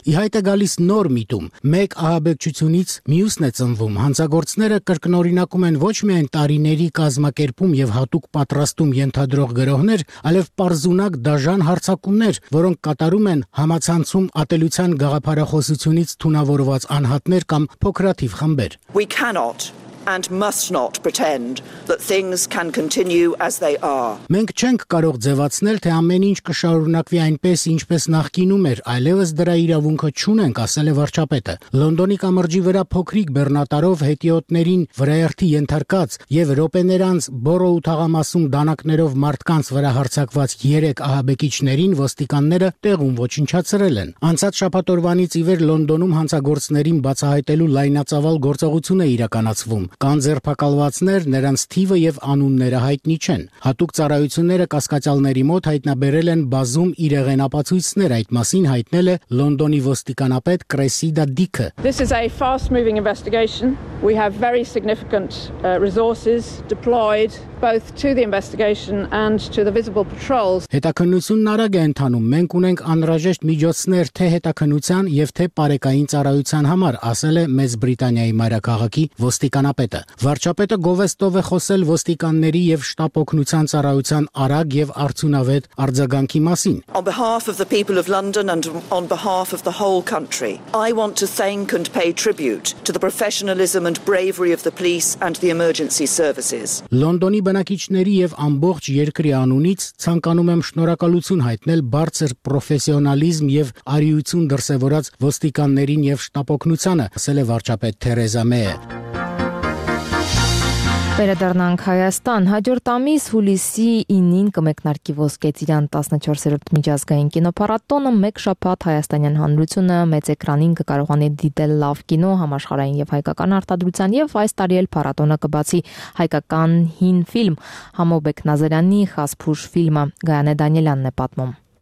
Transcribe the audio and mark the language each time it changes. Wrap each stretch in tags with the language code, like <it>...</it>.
<hy>Ի հայտ է գալիս նոր միտում՝ մեկ ահաբեկչությունից մյուս ծնվում, հանցագործները կրկնօրինակում են ոչ միայն տարիների կազմակերպում և հատուկ պատրաստում ենթադրող գրոհներ, այլև պարզունակ դաժան հարցակումներ, որոնք կատարում են համացանցում ատելության գաղափարախոսությունից թունավորված անհատներ կամ փոքրաթիվ խմբեր։</hy> <en>We cannot and must not pretend that things can continue as they are.</en> <hy>Մենք չենք կարող ձևացնել, թե ամեն ինչ կշարունակվի այնպես, ինչպես նախկինում էր, այլևս դրա իրավունքը չունենք, ասել է վարչապետը։ Լոնդոնի կամրջի վրա փոքրիկ բեռնատարով հետիոտներին վրայերթի ենթարկած եւ ռոպեներ անց Բորոու թաղամասում դանակներով մարդկանց վրա հարձակված 3 ահաբեկիչներին ոստիկանները տեղում ոչնչացրել են։ Անցած շաբաթօրվանից ի վեր Լոնդոնում հանցագործներին բացահայտելու լայնածավալ գործողություն է իրականացվում։ Կան ձերբակալվածներ, նրանց թիվը եւ անունները հայտնի չեն։ Հատուկ ծառայությունները կասկածյալների մոտ հայտնաբերել են բազում իրեղենապացույցներ, այդ մասին հայտնել է Լոնդոնի ոստիկանապետ Կրեսիդա Դիքը։</hy> <en>This is a fast moving investigation. We have very significant resources deployed both to the investigation and to the visible patrols.</en> <hy>Հետաքննությունն արագ է ընթանում։ Մենք ունենք անհրաժեշտ միջոցներ թե հետաքննության եւ թե պարեկային ծառայության համար, ասել է Մեծ Բրիտանիայի մայրաքաղաքի ոստիկանապետը։ Վարչապետը Գովեստով է խոսել ոստիկանների եւ շտապօգնության ծառայության արագ եւ արդյունավետ արձագանքի մասին։</hy> <en>On behalf of the people of London and on behalf of the whole country, I want to thank and pay tribute to the professionalism and bravery of the police and the emergency services.</en> <hy>Լոնդոնի բնակիչների եւ ամբողջ երկրի անունից ցանկանում եմ շնորհակալություն հայտնել բարձր պրոֆեսիոնալիզմ եւ արիություն դրսեւորած ոստիկաններին եւ շտապօգնությանը, ասել է վարչապետ Թերեզա Մեյը։ Վերադառնանք Հայաստան։ Հաջորդ ամիս հուլիսի 9-ին կմեկնարկի Ոսկե Ծիրան 14-րդ միջազգային կինոփառատոնը։ Մեկ շաբաթ հայաստանյան հանրությունը մեծ էկրանին կարողանա դիտել լավ կինո համաշխարհային եւ հայկական արտադրության, եւ այս տարի էլ փառատոնը կբացի հայկական հին ֆիլմ Համո Բեկնազարյանի «Խասփուշ» ֆիլմը, Գայանե Դանիելյանն է պատմում։</hy>